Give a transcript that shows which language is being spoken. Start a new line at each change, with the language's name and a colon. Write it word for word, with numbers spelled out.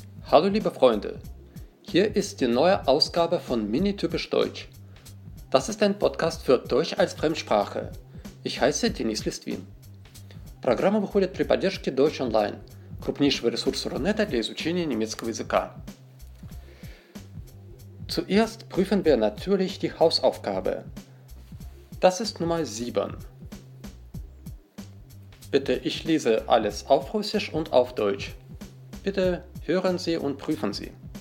German: Hallo liebe Freunde, hier ist die neue Ausgabe von Mini-Typisch Deutsch. Das ist ein Подкаст für Deutsch als Fremdsprache. Ich heiße
Russian: Денис Листвин. Программа выходит при поддержке Deutsch Online, крупнейшего ресурса Рунета для изучения немецкого языка.
German: Zuerst prüfen wir natürlich die Hausaufgabe. Das ist Nummer sieben. Bitte, ich lese alles auf Russisch und auf Deutsch. Bitte hören Sie und prüfen Sie.